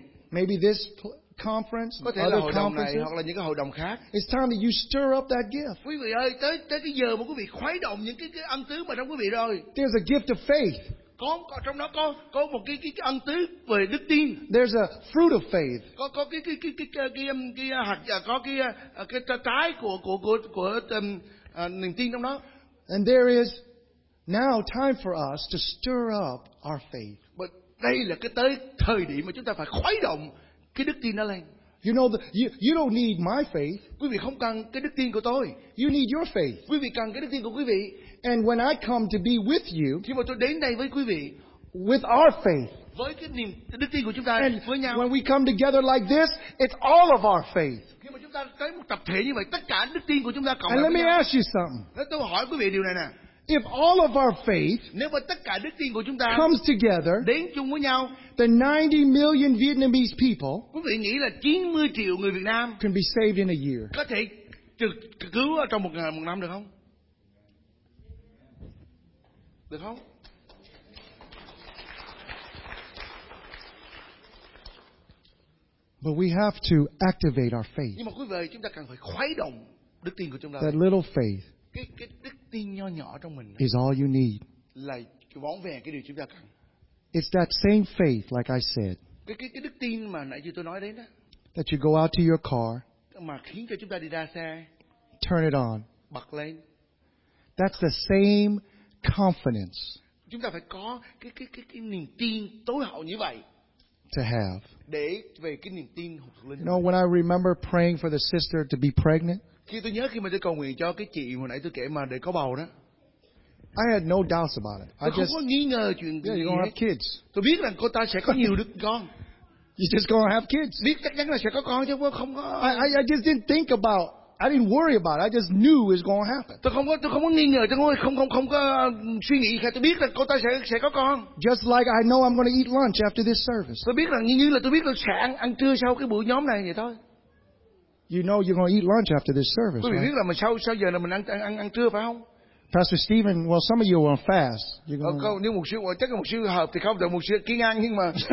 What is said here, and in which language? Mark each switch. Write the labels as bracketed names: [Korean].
[English] Maybe this conference, other conferences. It's time that you stir up that gift. There's a gift of faith. [Vietnamese] Trong đó có một cái ân tứ về đức tin. [English] There's a fruit of faith. [Vietnamese] Có cái trái của niềm tin trong đó. [English] And there is now time for us to stir up our faith. [Vietnamese] But đây là cái tới thời điểm mà chúng ta phải khuấy động cái đức tin đó lên. [English] You know, you don't need my faith. [Vietnamese] Quý vị không cần cái đức tin của tôi. [English] You need your faith. [Vietnamese] Quý vị cần cái đức tin của quý vị. [English] And when I come to be with you, [Vietnamese] khi mà tôi đến đây với quý vị, [English] with our faith, [Vietnamese] với cái niềm đức tin của chúng ta với nhau, [English] when we come together like this, it's all of our faith. [Vietnamese] Khi mà chúng ta tới một tập thể như vậy, tất cả đức tin của chúng ta cộng lại. [English] And let me ask you something. [Vietnamese] Tôi hỏi quý vị điều này nè. [English] If all of our faith, [Vietnamese] nếu mà tất cả đức tin của chúng ta [English] comes together, [Vietnamese] đến chung với nhau, [English] the 90 million Vietnamese people, [Vietnamese] quý vị nghĩ là 90 triệu người Việt Nam, [English] can be saved in a year. [Vietnamese] Có thể cứu ở trong một năm được không? Được không? [English] But we have to activate our faith. [Vietnamese] Nhưng mà quý vị, chúng ta cần phải khuấy động đức tin của chúng ta. [English] That little faith [Vietnamese] cái đức tin nhỏ nhỏ trong mình [English] is all you need. [Vietnamese] Là vỏn vẹn cái điều chúng ta cần. [English] It's that same faith, like I said. [Vietnamese] Cái đức tin mà nãy giờ tôi nói đến đó. [English] That you go out to your car. [Vietnamese] Mà khiến cho chúng ta đi ra xe. [English] Turn it on. [Vietnamese] Bật lên. [English] That's the same confidence. [Vietnamese] Chúng ta phải có cái niềm tin tối hậu như vậy. [English] To have. [Vietnamese] Để về cái niềm tin hụt lên. [English] You know, when I remember praying for the sister to be pregnant. [Vietnamese] Khi tôi nhớ khi mà tôi cầu nguyện cho cái chị hồi nãy tôi kể mà để có bầu đó. [English] I had no doubts about it. [Vietnamese] Tôi không có nghi ngờ chuyện gì. [English] Yeah, you're gonna have kids. [Vietnamese] Tôi biết rằng cô ta sẽ có nhiều đứa con. [English] You're just gonna have kids. [Vietnamese] Biết chắc chắn là sẽ có con chứ không có. [English] I just didn't think about. I didn't worry about it. I just knew it was going to happen. [Vietnamese] Tôi không có nghi ngờ, tôi không có suy nghĩ khác. Tôi biết là cô ta sẽ có con. [English] Just like I know I'm going to eat lunch after this service. [Vietnamese] Tôi biết rằng như là tôi biết là sẽ ăn trưa sau cái buổi nhóm này vậy thôi. [English] You know you're going to eat lunch after this service. [Vietnamese] Tôi biết là mình sau giờ là mình ăn trưa phải không? [English] Pastor Stephen, well, some of you are fast. You're going. [Vietnamese] Không, nếu một số, chắc là một số hợp thì không được một số kiêng ăn nhưng mà.